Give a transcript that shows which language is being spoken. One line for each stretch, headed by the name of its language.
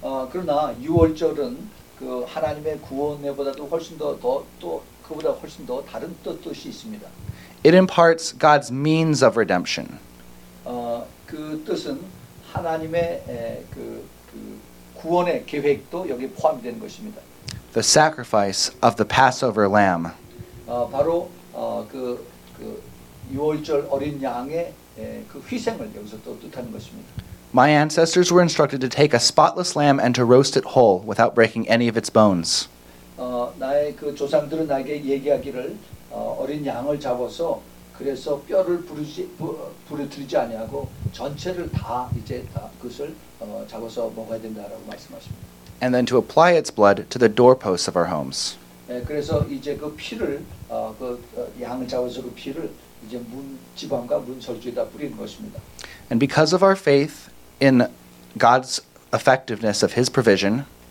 Korean: 그러나 유월절은 그 하나님의 구원에보다도 훨씬 더 그보다 훨씬 더 다른 뜻이 있습니다.
English: It imparts God's means of redemption.
Korean: 그 뜻은 하나님의 구원의 계획도 여기 포함된 것입니다.
English: The sacrifice of the Passover lamb.
Korean: 바로 그 유월절 어린 양의 그 희생을 여기서 또 뜻하는 것입니다.
English: My ancestors were instructed to take a spotless lamb and to roast it whole without breaking any of its bones.
Korean: 나의 그 조상들은 나에게 얘기하기를 어린 양을 잡아서 그래서 뼈를 부르지 아니하고 전체를 다 이제 그것을 잡아서 먹어야 된다라고 말씀하십니다.
English: And then to apply its blood to the doorposts of our homes.
Korean: 그래서 이제 그 피를 그 양을 잡아서 그 피를 이제 문 지방과 문 절주에다 뿌리는 것입니다.
English: And because of our faith in God's effectiveness of His provision,